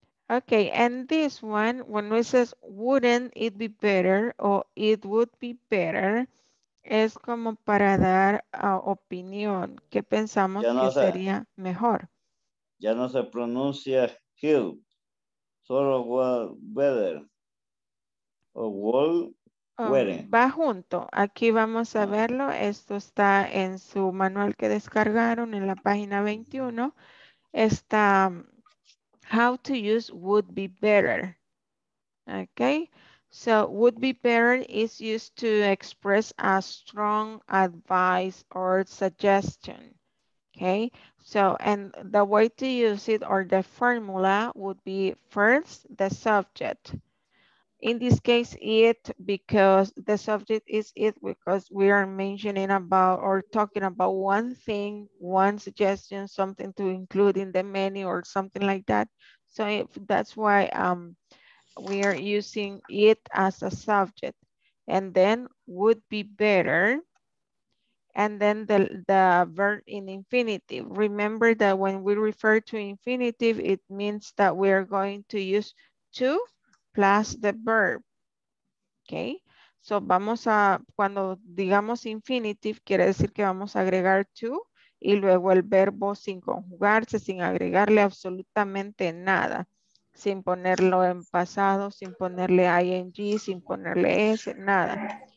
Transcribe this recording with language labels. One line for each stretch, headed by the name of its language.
English: Okay, and this one, when we says wouldn't it be better or it would be better,
Spanish: es como para dar opinión. ¿Qué pensamos no que se, sería mejor? Ya no se pronuncia help, solo would better o would better. Va junto. Aquí vamos a verlo. Esto está en su manual que descargaron en la página 21.
English: Está... How to use would be better. Okay, so would be better is used to express a strong advice or suggestion. Okay, so and the way to use it or the formula would be first the subject. In this case, it because the subject is it because we are mentioning about or talking about one thing, one suggestion, something to include in the menu or something like that. So if that's why we are using it as a subject and then would be better. And then the verb in infinitive. Remember that when we refer to infinitive, it means that we are going to use two plus the verb, okay?
Spanish: So vamos a, cuando digamos infinitive, quiere decir que vamos a agregar to y luego el verbo sin conjugarse, sin agregarle absolutamente nada, sin ponerlo en pasado, sin ponerle ing, sin ponerle s, nada.